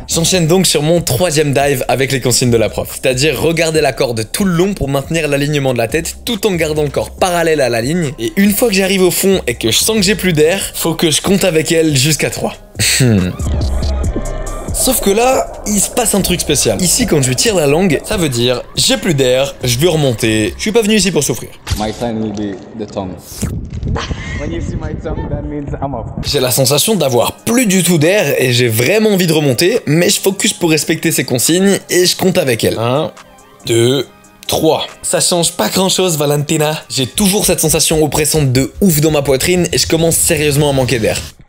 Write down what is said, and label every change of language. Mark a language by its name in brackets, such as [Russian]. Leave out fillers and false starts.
[French] J'enchaîne donc sur mon troisième dive avec les consignes de la prof. C'est-à-dire regarder la corde tout le long pour maintenir l'alignement de la tête tout en gardant le corps parallèle à la ligne. Et une fois que j'arrive au fond et que je sens que j'ai plus d'air, faut que je compte avec elle jusqu'à 3. Sauf que là, il se passe un truc spécial. Ici, quand je lui tire la langue, ça veut dire j'ai plus d'air, je veux remonter, je suis pas venu ici pour souffrir. [English] My sign will be the tongue. When you see my tongue, that means I'm off. [French] J'ai la sensation d'avoir plus du tout d'air et j'ai vraiment envie de remonter, mais je focus pour respecter ses consignes et je compte avec elle. 1, 2, 3. Ça change pas grand chose, Valentina. J'ai toujours cette sensation oppressante de ouf dans ma poitrine et je commence sérieusement à manquer d'air.